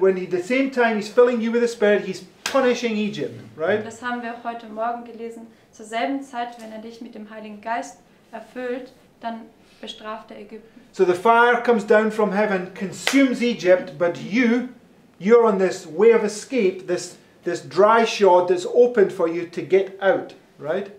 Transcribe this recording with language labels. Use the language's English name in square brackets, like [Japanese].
[English] When at the same time he's filling you with the Spirit, he's punishing Egypt, right? [German] Und das haben wir auch heute Morgen gelesen. Zur selben Zeit, wenn er dich mit dem Heiligen Geist erfüllt, dann bestraft er Ägypten. [English] So the fire comes down from heaven, consumes Egypt, but you're on this way of escape, this dry shod that's opened for you to get out, right?